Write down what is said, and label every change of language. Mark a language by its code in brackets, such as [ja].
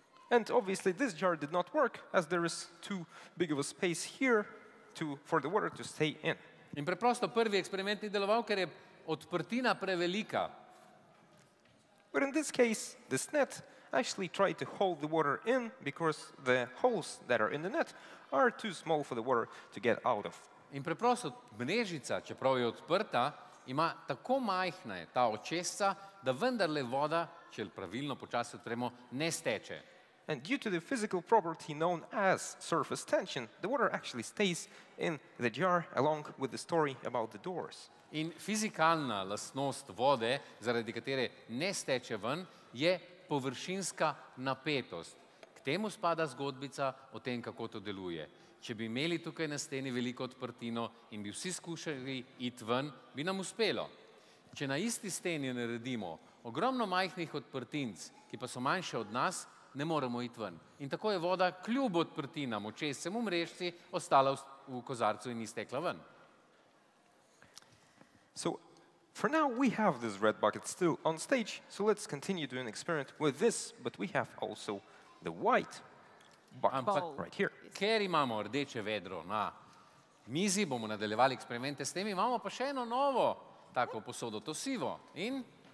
[en] And obviously this jar did not work as there is too big of a space here to for the water to stay in. [sl] In preprosto prvi eksperiment ni deloval, ker je odprtina prevelika. [en] But in this case, this net actually tried to hold the water in because the holes that are in the net are too small for the water to get out of. [sl] In preprosto mrežica, čeprav je odprta, ima tako majhna je ta očesca, da vendarle voda, če pravilno počasi odpremo, ne steče. [en] And due to the physical property known as surface tension, the water actually stays in the jar along with the story about the doors. [sl] In fizikalna lastnost vode, zaradi katere ne steče ven, je površinska napetost. K temu spada zgodbica o tem, kako to deluje. Če bi imeli tukaj na steni veliko odprtino in bi vsi skušali iti ven, bi nam uspelo. Če na isti steni naredimo ogromno majhnih odprtinc, ki pa so manjše od nas, ne moremo iti ven. In tako je voda kljub odprtinam, očesem v mrežci, ostala v kozarcu in iztekla ven. [en] So, for now we have this red bucket still on stage, so let's continue doing an experiment with this, but we have also the white bucket right here. [sl] Ker imamo rdeče vedro na mizi, bomo nadaljevali eksperimente s tem, imamo pa še eno novo tako posodo, to sivo. In?